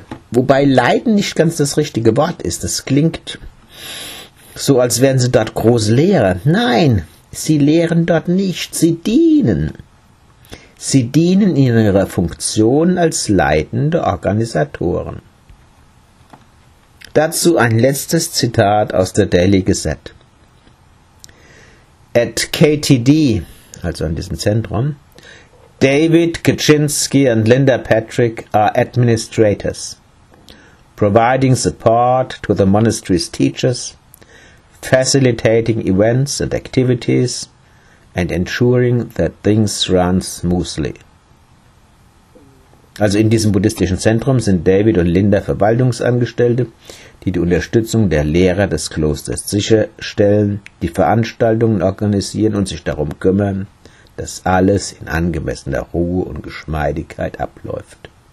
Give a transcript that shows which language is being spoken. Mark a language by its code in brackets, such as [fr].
[de] Wobei leiden nicht ganz das richtige Wort ist. Das klingt so, als wären sie dort große Lehrer. Nein, sie lehren dort nicht. Sie dienen. Sie dienen in ihrer Funktion als leitende Organisatoren. Dazu ein letztes Zitat aus der Daily Gazette. [en] At KTD, [de] also in diesem Zentrum, [en] David Kaczynski and Linda Patrick are administrators, providing support to the monastery's teachers, facilitating events and activities, and ensuring that things run smoothly. [de] Also in diesem buddhistischen Zentrum sind David und Linda Verwaltungsangestellte, die die Unterstützung der Lehrer des Klosters sicherstellen, die Veranstaltungen organisieren und sich darum kümmern, dass alles in angemessener Ruhe und Geschmeidigkeit abläuft.